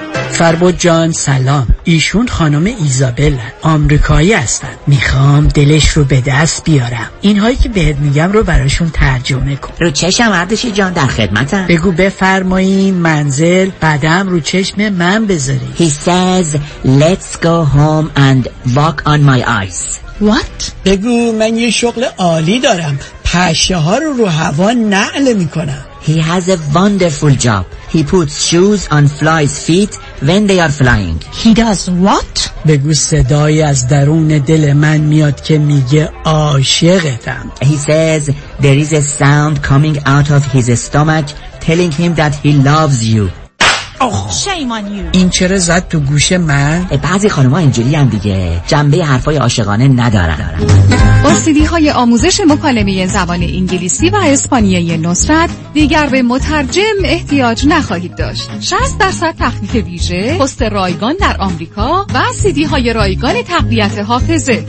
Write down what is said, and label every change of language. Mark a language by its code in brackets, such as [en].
[fa] فربود جان سلام، ایشون خانم ایزابل آمریکایی هستن، میخوام دلش رو به دست بیارم، اینهایی که بهت میگم رو براشون ترجمه کن. رو چشم اردشی جان در خدمتم. بگو بفرماییم منزل بعدم رو چشم من بذاری. [en] He says let's go home and walk on my eyes. What؟ [fa] بگو من یه شغل عالی دارم، پشه ها رو هوا نعل میکنم. [en] He has a wonderful job. He puts shoes on flies' feet when they are flying. He does what? [fa] بگو صدای از درون دل من میاد که میگه عاشقتم. [en] He says there is a sound coming out of his stomach telling him that he loves you. Shame on you. [fa] این چرا زد تو گوش من؟ بعضی خانوما اینجوری هم دیگه، جنبه حرفای عاشقانه ندارن. ارسیدی های آموزش مکالمه زبان انگلیسی و اسپانیایی نصرت، دیگر به مترجم احتیاج نخواهید داشت. 60% تخفیف ویژه، پست رایگان در آمریکا و سیدی های رایگان تقویت حافظه.